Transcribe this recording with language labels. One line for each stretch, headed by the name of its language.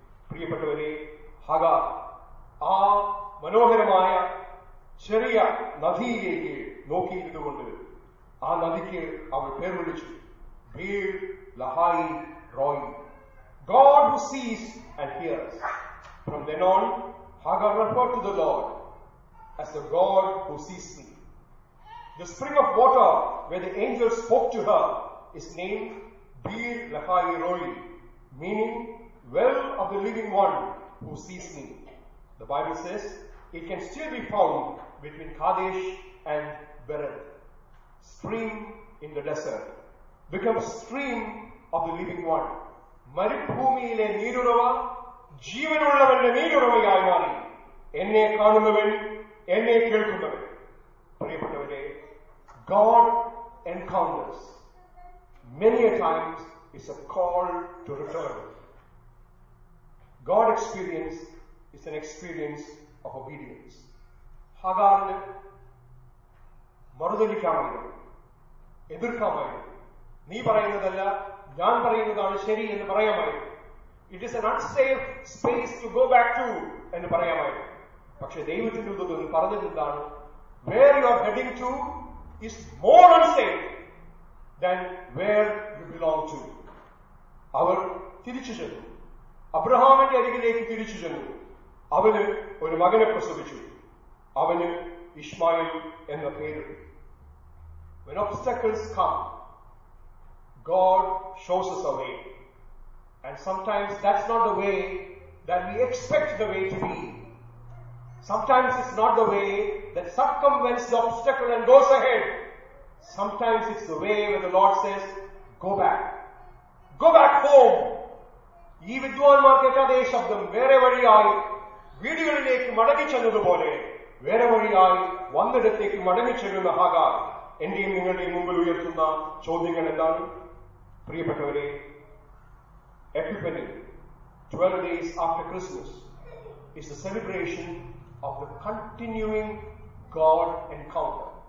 Malayalam: പ്രിയപ്പെട്ടവരെ, ഹാഗാർ ആ മനോഹരമായ ചെറിയ നദിയിലേക്ക് നോക്കിയിരുന്നുകൊണ്ട് ആ നദിക്ക് അവൾ പേർ വിളിച്ചു, beer ലഹായി Roy,
English: God who sees and hears. From then on, Hagar referred to the Lord as the God who sees me. The spring of water where the angel spoke to her is named Bir Lahai Roi, meaning well of the living one who sees me. The Bible says it can still be found between Kadesh and Bered. Spring in the desert becomes stream of the living one.
Malayalam: മരുഭൂമിയിലെ നീരുറവ ജീവനുള്ളവന്റെ നീരുറവയായി മാറി. എന്നെ കാണുന്നവൻ, എന്നെ കേൾക്കുന്നവൻ. പ്രിയപ്പെട്ടവരെ,
English: God encounters many a times is a call to return. God experience is an experience of obedience.
Malayalam: ഹാഗാറിന് മറുതലിക്കാമായിരുന്നു, എതിർക്കാമായിരുന്നു, നീ പറയുന്നതല്ല ഞാൻ പറയുന്നതാണ് ശരി എന്ന് പറയാമായിരുന്നു.
English: it is an unsafe space to go back to
Malayalam: എന്ന് പറയാമായിരുന്നു. പക്ഷെ ദൈവത്തിന്റെ ഉദ്ദേശം പറഞ്ഞിട്ടുണ്ടാണ്,
English: Where you are heading to is more unsafe than where you belong to.
Malayalam: അവർ തിരിച്ചു ചെന്നു, അബ്രഹാമിന്റെ അരികിലേക്ക് തിരിച്ചു ചെന്നു. അവന് ഒരു മകനെ പ്രസവിച്ചു, അവന് ഇസ്മായിൽ എന്ന പേര്.
English: When obstacles come, God shows us a way. And sometimes that's not the way that we expect the way to be. Sometimes it's not the way that circumvents the obstacle and goes ahead. Sometimes it's the way where the Lord says, go back. Go back home.
Malayalam: ഈ വിദ്വാൻമാർക്കൊക്കെ അതേ ശബ്ദം, വേറെ വഴിയായി വീടുകളിലേക്ക് മടങ്ങി ചെന്നതുപോലെ വേറെ വഴിയായി വന്നിടത്തേക്ക് മടങ്ങി ചെല്ലുന്ന ഹാഗാർ. എന്റെയും നിങ്ങളുടെയും മുമ്പിൽ ഉയർത്തുന്ന ചോദ്യങ്ങൾ എന്താണ്? പ്രിയപ്പെട്ടവരെ,
English: Epiphany, 12 days after Christmas, is the celebration of the continuing God encounter.